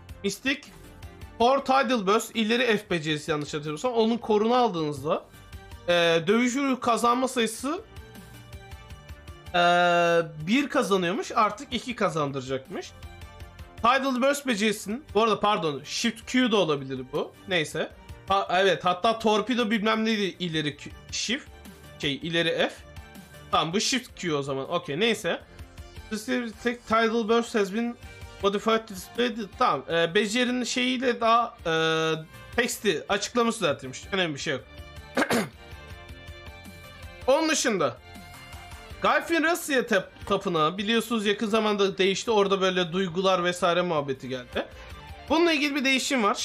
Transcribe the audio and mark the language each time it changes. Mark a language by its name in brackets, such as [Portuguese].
[Turkish] Mystic, Core Tidal Burst, ileri F becerisi yanlış hatırlıyorsam, onun korunu aldığınızda dövüş ruhu kazanma sayısı 1 kazanıyormuş, artık 2 kazandıracakmış. Tidal Burst becerisinin, bu arada pardon, Shift Q da olabilir bu, neyse. Evet, hatta Torpedo bilmem neydi, ileri Shift, şey ileri F. Tamam, bu Shift Q o zaman, okey, neyse. [English] Specific Tidal Burst has been modified to display. [Turkish] Tamam, becerinin şeyiyle daha teksti, açıklaması düzeltilmiş, önemli bir şey yok. Onun dışında Gryphon Rassia tapınağı biliyorsunuz yakın zamanda değişti. Orada böyle duygular vesaire muhabbeti geldi. Bununla ilgili bir değişim var.